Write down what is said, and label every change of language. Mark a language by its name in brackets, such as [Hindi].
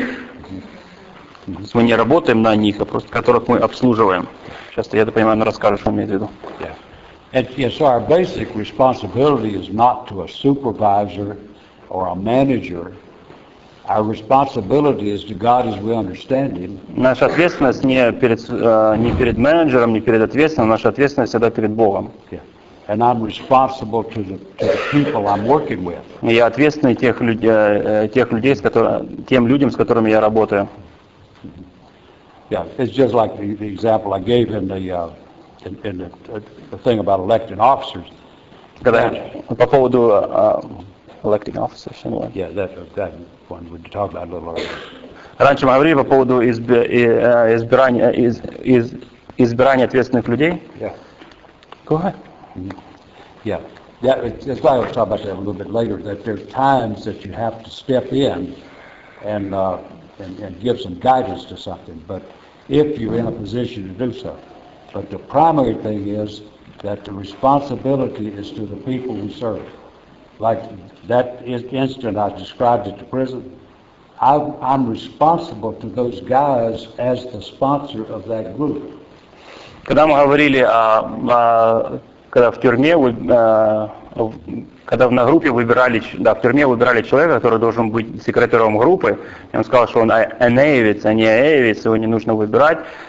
[Russian] То есть мы не работаем на них, а просто которых мы обслуживаем. Сейчас я это понимаю, но расскажешь, что имеет в виду. [English] So our basic responsibility is not to a supervisor or a manager. Our responsibility is to God as we understand Him. [Russian] Наша ответственность не перед менеджером, не перед ответственным, наша ответственность всегда перед Богом. [English] And I'm responsible to the people I'm working with. [Russian] Я ответственный тем людям, с которыми я работаю. [English] Yeah, it's just like the example I gave in the thing about electing officers. [Russian] По поводу [English] electing officers, anyway. Yeah, that one we talked about a little earlier. [Russian] Раньше мы говорили по поводу избирания ответственных людей. [English] Yeah. Go ahead. Yeah, that's why I'll talk about that a little bit later. That there's times that you have to step in and give some guidance to something. But if you're in a position to do so, but the primary thing is that the responsibility is to the people we serve. Like that incident I described at the prison, I'm responsible to those guys as the sponsor of that group. [Russian] Когда мы говорили о когда в тюрьме, когда на группе выбирали, да, в тюрьме выбирали человека, который должен быть секретарем группы, и он сказал, что он эневец, а не эевец, его не нужно выбирать.